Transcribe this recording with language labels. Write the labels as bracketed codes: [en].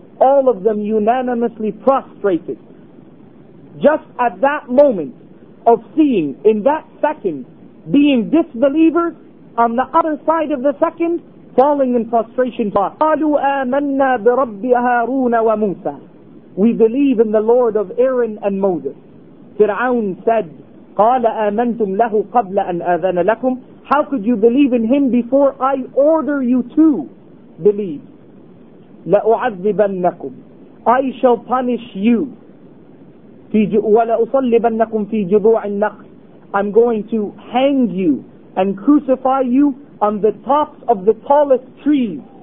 [en] All of them unanimously prostrated. Just at that moment of seeing, in that second, being disbelievers, on the other side of the second, falling in frustration. [ar] قَالُوا آمَنَّا بِرَبِّ هَارُونَ وَمُوسَى. [en] We believe in the Lord of Aaron and Moses. Fir'aun said, [ar] قَالَ آمَنْتُمْ لَهُ قَبْلَ أَنْ آذَنَ لَكُمْ. [en] How could you believe in him before I order you to believe? [ar] لَأُعَذِّبَنَّكُمْ. [en] I shall punish you. [ar] وَلَأُصَلِّبَنَّكُمْ فِي جُذُوعِ النَّخْلِ. [en] I'm going to hang you and crucify you on the tops of the tallest trees.